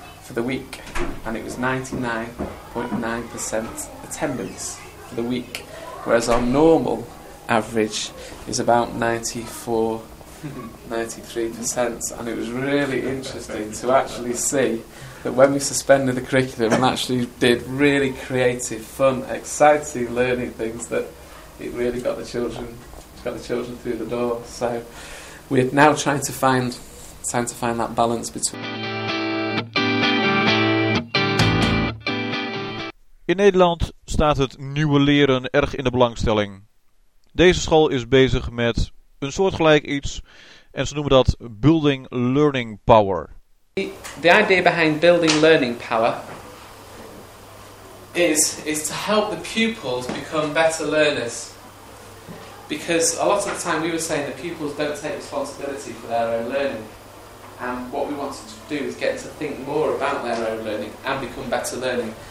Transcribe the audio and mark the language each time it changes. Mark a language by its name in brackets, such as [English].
[English] for the week, and it was 99.9% attendance for the week, whereas our normal average is about 94-93%, and it was really interesting to actually see that when we suspended the curriculum and actually did really creative, fun, exciting learning things, that it really got the children through the door. So we're now trying to find that balance between. [Dutch] In Nederland staat het nieuwe leren erg in de belangstelling. Deze school is bezig met een soortgelijk iets en ze noemen dat Building Learning Power. [English] The idea behind Building Learning Power is to help the pupils become better learners. Because a lot of the time we were saying that pupils don't take responsibility for their own learning. And what we wanted to do is get them to think more about their own learning and become better learning.